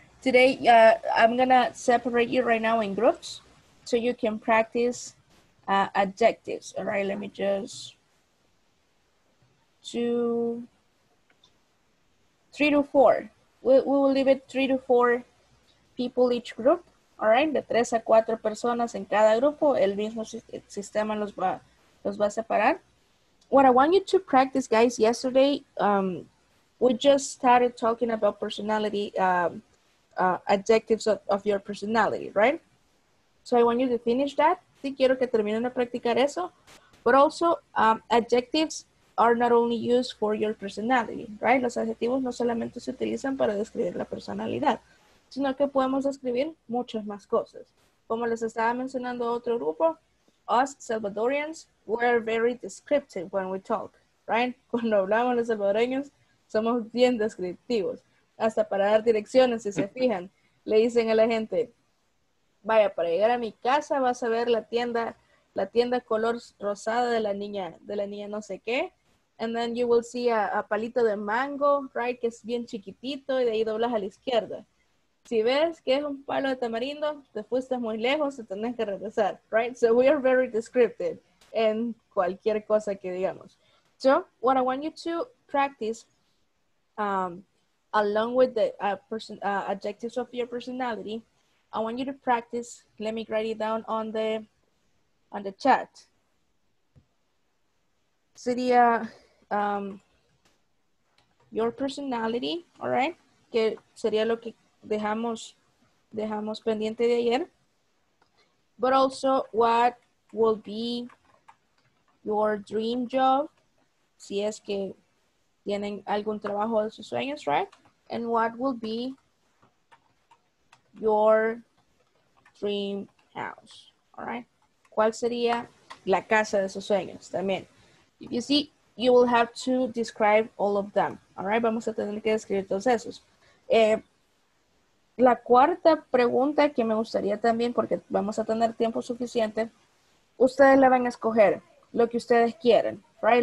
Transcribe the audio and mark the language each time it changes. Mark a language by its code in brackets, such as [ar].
[en] Today, I'm going to separate you right now in groups so you can practice adjectives. All right, let me just three to four. We will leave it 3 to 4 people each group. [es] All right, de 3 a 4 personas en cada grupo. El mismo sistema los va a separar. [en] What I want you to practice, guys, yesterday, we just started talking about personality, adjectives of your personality, right? So I want you to finish that. Sí, quiero que terminen de practicar eso. But also, adjectives are not only used for your personality, right? [es] Los adjetivos no solamente se utilizan para describir la personalidad, sino que podemos describir muchas más cosas. [en] Como les estaba mencionando otro grupo, us Salvadorians, we're very descriptive when we talk, right? [es] Cuando hablamos los salvadoreños, somos bien descriptivos. Hasta para dar direcciones, si se fijan, le dicen a la gente, vaya, para llegar a mi casa vas a ver la tienda color rosada de la niña no sé qué, and then you will see a palito de mango, right, que es bien chiquitito, y de ahí doblas a la izquierda. Si ves que es un palo de tamarindo, te fuiste muy lejos, te tenés que regresar, right? [en] So we are very descriptive en cualquier cosa que digamos. So what I want you to practice along with the adjectives of your personality, I want you to practice, let me write it down on the chat. Sería your personality, all right? [es] Que sería lo que dejamos pendiente de ayer, but also what will be your dream job, si es que tienen algún trabajo de sus sueños, right? [en] And what will be your dream house, all right? [es] ¿Cuál sería la casa de sus sueños también? If you see, you will have to describe all of them, all right? Vamos a tener que describir todos esos. la cuarta pregunta que me gustaría también, porque vamos a tener tiempo suficiente, ustedes la van a escoger, lo que ustedes quieren, right?